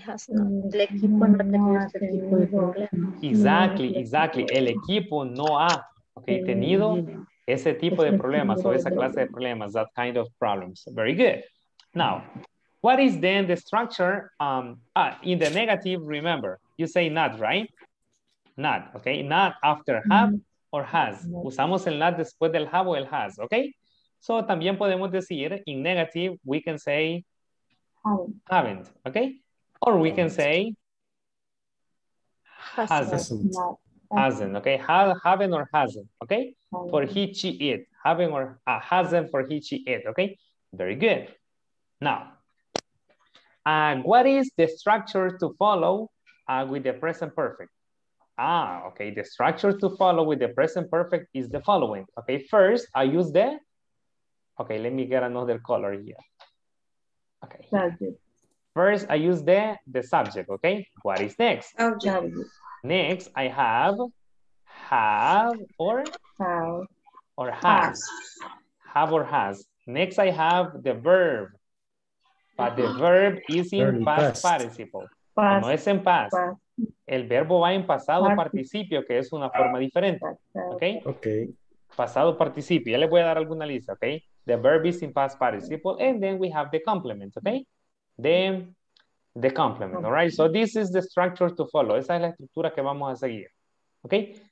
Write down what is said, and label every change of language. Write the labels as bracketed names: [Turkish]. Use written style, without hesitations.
[Spanish] El equipo no ha, okay, tenido ese tipo de problemas o esa clase de problemas, [English] that kind of problems. Very good. Now, what is then the structure? In the negative, remember, you say not, right? Not, okay? Not after have, or has. [Spanish] Usamos el not después del have o el has, ¿ok? [English] So, [Spanish] también podemos decir, [English] in negative, we can say haven't, ¿ok? Or we can say hasn't, ¿ok? Haven't or hasn't, ¿ok? For he, she, it. Haven't or hasn't for he, she, it, ¿ok? Very good. Now, what is the structure to follow with the present perfect? Ah, okay. The structure to follow with the present perfect is the following. Okay, first I use the. Okay, let me get another color here. Okay. First, I use the subject. Okay, what is next? Okay. Next, I have or has. Have or has. Next, I have the verb, but the verb is in past participle. [Spanish] No es en past. El verbo va en pasado participio, que es una forma diferente. [English] Okay? Okay. [Spanish] Pasado participio. Ya le voy a dar alguna lista, okay? [English] The verb is in past participle, and then we have the complement, okay? The complement, all right? So this is the structure to follow. [Spanish] Esa es la estructura que vamos a seguir, okay?